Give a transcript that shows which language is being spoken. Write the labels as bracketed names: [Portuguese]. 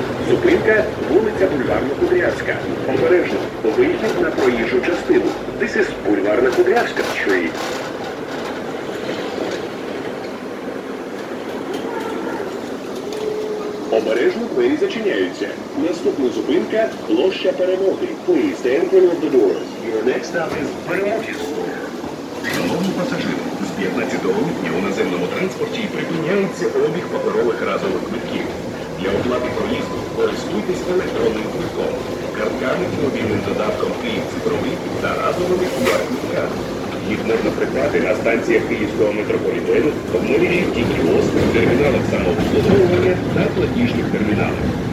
[Ukrainian] Зупинка – вулиця Бульварна Кудрявська. Обережно, виїхать на проїжджу частину. [English] This is Бульварна Кудрявська Street. [Ukrainian] Обережно, двері зачиняються. Наступна зупинка – площа Перемоги. [English] Please stand by the door. Your next stop is Перемоги. [Ukrainian] Шановні пасажири, з 15 липня у наземному транспорті припиняється обіг паперових разових квитків. Для оплати проїзду користуйтесь електронним квитком, картками і мобільним додатком «Київ-цифровий» та разовими QR-квитками. Їх можна придбати на станціях київського метрополітену, обмежені тільки острів, терміналах самообслуговування та платіжних терміналах.